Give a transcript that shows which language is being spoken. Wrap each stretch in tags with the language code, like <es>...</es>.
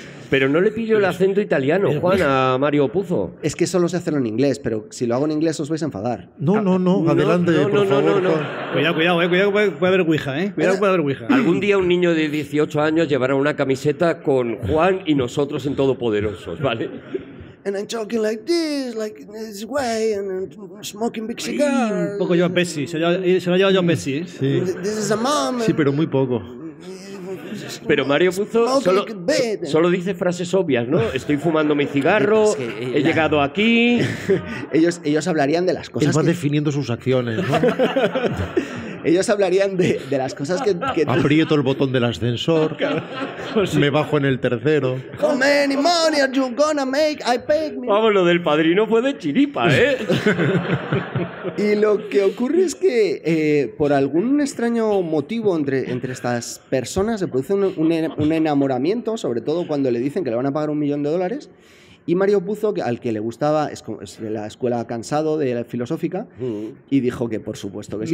<es>Pero no le pillo el acento italiano, Juan, a Mario Puzo. Es que solo sé hacerlo en inglés, pero si lo hago en inglés os vais a enfadar. No, adelante, por favor. Cuidado, puede haber ouija. Algún día un niño de 18 años llevará una camiseta con Juan y nosotros en Todopoderosos, ¿vale?</es> <en>And I'm talking like this, like this way, and smoking big cigars.</en> <es>Un poco John Pesci, se lo ha llevado John Pesci, ¿eh? Sí.</es> <en>This is a mom.</en> <es>Sí, pero muy poco. Pero Mario Puzo solo dice frases obvias, ¿no? Estoy fumando mi cigarro, es que, he llegado aquí... ellos hablarían de las cosas que... Él va definiendo sus acciones, ¿no? Ellos hablarían de las cosas que... Aprieto el botón del ascensor, me bajo en el tercero...</es> <en>How many money are you gonna make? I pay me...</en> <es>Vamos, lo del Padrino fue de chiripa, ¿eh? Y lo que ocurre es que, por algún extraño motivo entre estas personas, se produce un enamoramiento, sobre todo cuando le dicen que le van a pagar $1,000,000, y Mario Puzo, al que le gustaba, es de la escuela cansado de la filosófica, y dijo que por supuesto que sí.</es>